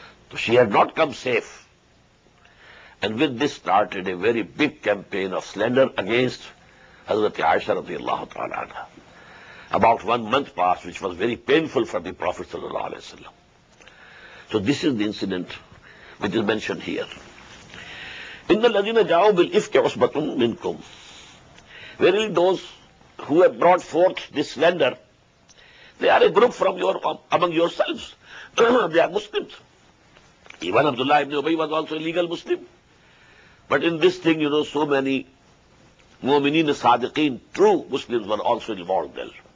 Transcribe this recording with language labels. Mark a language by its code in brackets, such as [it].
[en] So she had not come safe. And with this started a very big campaign of slander against Hazrat Aisha radiallahu ta'ala anha. About 1 month passed, which was very painful for the Prophet sallallahu alayhi wa sallam. So this is the incident which is mentioned here. [ar] إن الذين جاءوا بالإفك عصبة منكم. [en] Verily those who have brought forth this slander, they are a group from your among yourselves. They are Muslims. Even Abdullah ibn Ubay was also a legal Muslim. But in this thing, you know, so many mu'mineen sadiqeen, true Muslims, were also involved there.